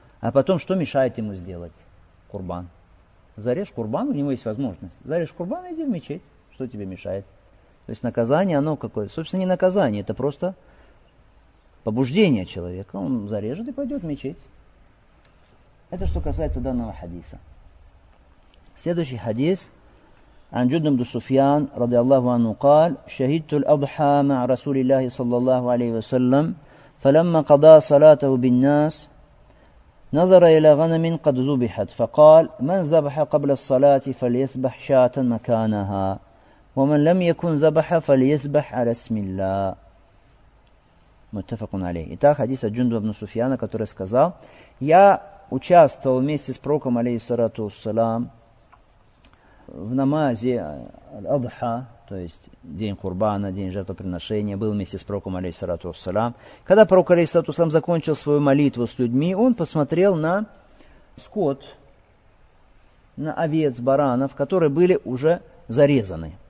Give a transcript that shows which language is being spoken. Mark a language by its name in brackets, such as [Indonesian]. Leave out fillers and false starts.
[Russian] А потом, что мешает ему сделать? Курбан. Зарежь курбан, у него есть возможность. Зарежь курбан, иди в мечеть. Что тебе мешает? То есть наказание, оно какое? Собственно, не наказание, это просто побуждение человека. Он зарежет и пойдет в мечеть. Это что касается данного хадиса. Следующий хадис. [Arabic] عن جندب سفيان رضي الله عنه قال شهدت الأضحى مع رسول الله صلى الله عليه وسلم فلما قضى صلاته بالناس نظر إلى غنم قد ذبحت فقال من ذبح قبل الصلاة فليذبح شاة مكانها ومن لم يكن ذبح فليذبح على اسم الله متفق عليه. [Russian] Итак, хадис от جندب سفيان, который сказал: я участвовал вместе с пророком алейхиссалату вассалам в намазе Аль-Адха, то есть день Курбана, день жертвоприношения, был вместе с пророком, алейхиссалату вассалям. Когда пророк, алейхиссалату вассалям, закончил свою молитву с людьми, он посмотрел на скот, на овец, баранов, которые были уже зарезаны.